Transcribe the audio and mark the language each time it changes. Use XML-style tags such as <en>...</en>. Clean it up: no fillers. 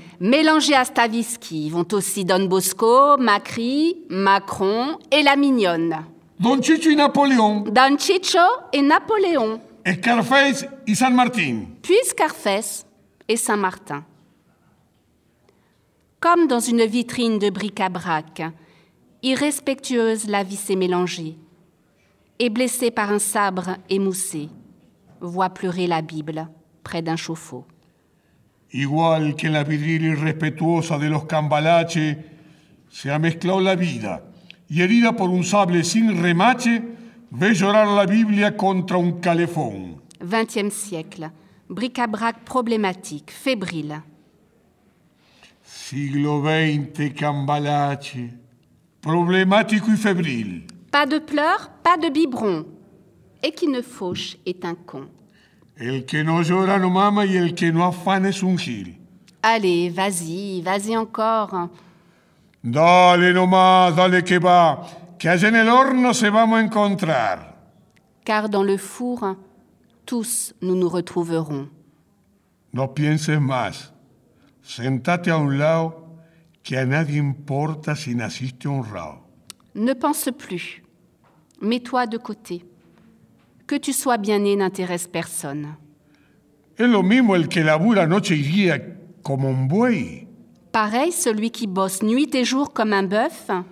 <fr>Mélangé à Stavisky vont aussi Don Bosco, Macri, Macron et la Mignonne.</fr> <es>Don Chicho y Napoleón.</es> <fr>Don Chicho et Napoléon.</fr> <es>Scarface y San Martín.</es> <fr>Puis Scarface et Saint-Martin. Comme dans une vitrine de bric-à-brac, irrespectueuse la vie s'est mélangée et blessée par un sabre émoussé, voit pleurer la Bible près d'un chauffe-eau.</fr> <es>Igual que la vidrina irrespetuosa de los cambalache, se ha mezclado la vida y herida por un sable sin remache, ve llorar la Biblia contra un calefón.</es> <fr>20e siècle, bric-à-brac problématique, fébrile.</fr> <es>Siglo 20, cambalache,</es> <fr>problématique et fébrile. Pas de pleurs, pas de biberons. Et qui ne fauche est un con.</fr> <es>El que no llora no mama y el que no afana es un gil.</es> <fr>Allez, vas-y, vas-y encore.</fr> <es>Dale nomás, dale que va, que allá en el horno se vamos a encontrar.</es> <fr>Car dans le four, tous nous nous retrouverons.</fr> <es>No pienses más. Sentate a un lado, que a nadie importa si naciste honrado.</es> <fr>Ne pense plus. Mets-toi de côté. Que tu sois bien né n'intéresse personne.</fr> <es>Es lo mismo el que labura noche y día como un buey.</es> <fr>Pareil celui qui bosse nuit et jour comme un bœuf.</fr>